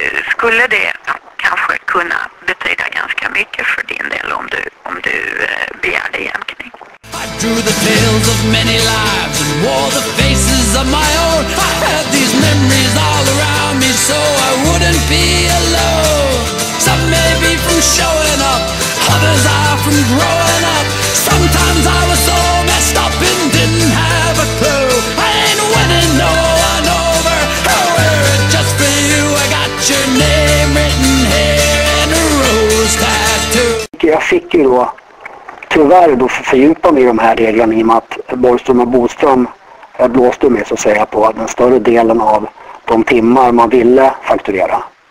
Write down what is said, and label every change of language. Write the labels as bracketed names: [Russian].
[Swedish] Skulle det kanske kunna betyda ganska mycket för din del om du begärde jämkning. [English] I drew the tales of many lives and wore the faces of my own. I had these memories all around me so I wouldn't be alone. Some may be from showing up, others are from growing up. Sometimes I was so messed up and didn't have a clue. I ain't winning no one over, however, just for you. I got your name written here in a rose tattoo. [Swedish] Jag fick ju då tyvärr då fördjupa mig i de här reglerna, i och med att Borgström och Boström blåste med, så att säga, på den större delen av de timmar man ville fakturera.